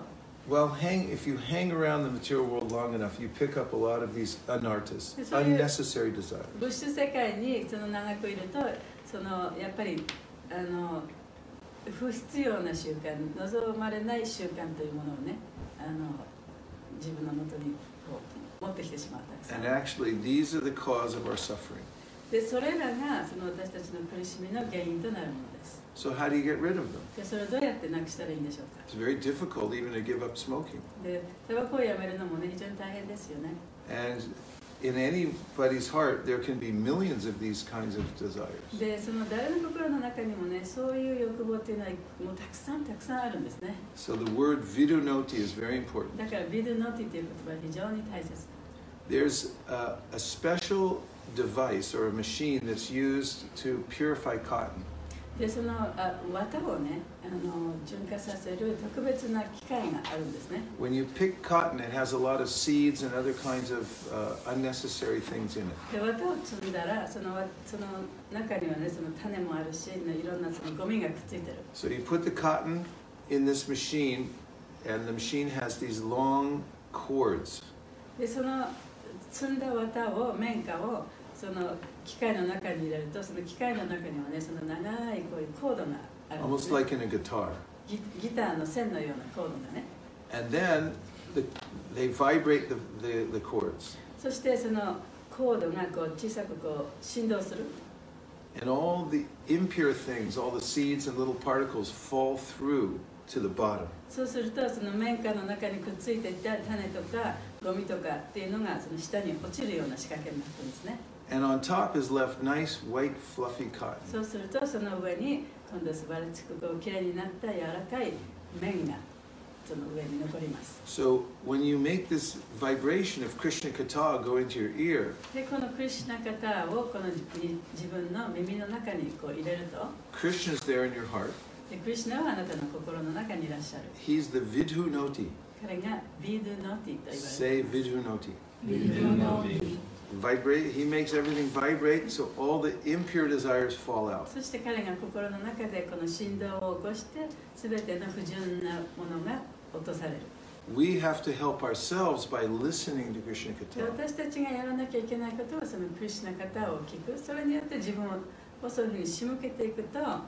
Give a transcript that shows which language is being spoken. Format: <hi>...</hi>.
<en>So, well, if you hang around the material world long enough, you pick up a lot of these anartas, unnecessary desires.</en> <ja>物質世界にその長くいると、そのやっぱり不必要な習慣、望まれない習慣というものをね、自分のもとに持ってきてしまうたくさん。</ja> <en>And actually, these are the cause of our suffering.</en> <ja>で、それらがその私たちの苦しみの原因となるものです。</ja> <en>So how do you get rid of them?</en> <ja>で、それをどうやってなくしたらいいんでしょうか?</ja> <en>It's very difficult even to give up smoking.</en> <ja>で、タバコをやめるのもね、非常に大変ですよね。</ja> <en>And in anybody's heart, there can be millions of these kinds of desires.</en> <ja>で、その誰の心の中にもね、そういう欲望っていうのはもうたくさんたくさんあるんですね。</ja> <en>So the word vidunoti is very important.</en> <ja>だから vidunoti という言葉は非常に大切。</ja> <en>There's a special device or a machine that's used to purify cotton.</en> <ja>で、その綿をね、循環させる特別な機械があるんですね。</ja> <en>When you pick cotton, it has a lot of seeds and other kinds of unnecessary things in it.</en> <ja>で、綿を摘んだら、その中にはね、その種もあるし、いろんなそのゴミがくっついてる。</ja> <en>So you put the cotton in this machine, and the machine has these long cords.</en> <ja>で、その摘んだ綿を、綿花を、その機械の中に入れると、その機械の中にはね、その長いこういうコードがある。</ja> <en>Almost like in a guitar.</en> <ja>ギターの線のようなコードがね。</ja> <en>And then they vibrate the cords.</en> <ja>そしてそのコードがこう小さくこう振動する。</ja> <en>And all the impure things, all the seeds and little particles fall through to the bottom.</en> <ja>そうするとその綿花の中にくっついていた種とかゴミとかっていうのがその下に落ちるような仕掛けになってるんですね。</ja> <en>And on top is left nice, white, fluffy cotton.</en> <ja>そうするとその上に今度素晴らしくこう綺麗になった柔らかい綿がその上に残ります。</ja> <en>So when you make this vibration of Krishna Katha go into your ear,</en> <ja>でこのクリシュナカタをこの自分の耳の中にこう入れると、</ja> <en>Krishna is there in your heart.</en> <ja>でクリシュナはあなたの心の中にいらっしゃる。</ja> <en>He's the Vidhunoti.</en> <ja>彼がVidhunoti と言われます。</ja> <en>Say Vidhunoti.</en> <sa>Vidhunoti.</sa> <en>Vibrate. He makes everything vibrate, so all the impure desires fall out.</en> <ja>そして彼が心の中でこの振動を起こして、すべての不純なものが落とされる。</ja> <en>We have to help ourselves by listening to Krishna Katha.</en> <ja>私たちがやらなきゃいけないことはそのクリシュナカタを聞く。それによって自分をそういうふうに仕向けていくと。</ja>